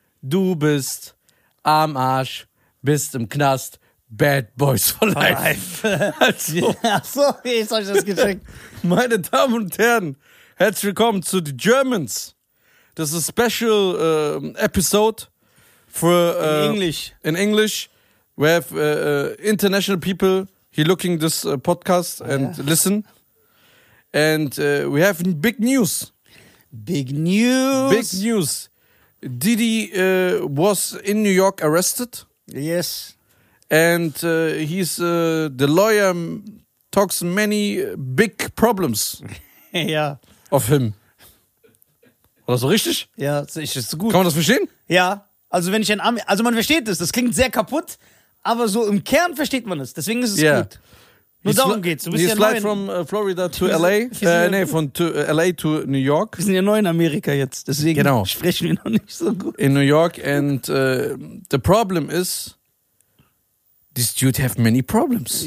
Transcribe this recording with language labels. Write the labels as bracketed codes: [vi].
[de] Du bist am Arsch. Bist im Knast. [en] Bad Boys for Life. [de] Achso, wie ist euch das geschenkt? Meine Damen und Herren, herzlich willkommen zu The Germans. Das ist ein [en] special episode for in English. We have international people here looking this podcast and listen. And we have big news. Big news. Didi was in New York arrested. Yes. And he's the lawyer talks many big problems. Yeah. Of him. [de] War das so richtig? Ja, ist gut. Kann man das verstehen? Ja, also wenn ich ein Ami, also man versteht es, das klingt sehr kaputt, aber so im Kern versteht man es, deswegen ist es gut. Nur darum geht's. Du bist [en] he's ja flying from Florida to LA, LA to New York. [de] Wir sind ja neu in Amerika jetzt, deswegen sprechen wir noch nicht so gut. [en] In New York and the problem is, this dude have many problems.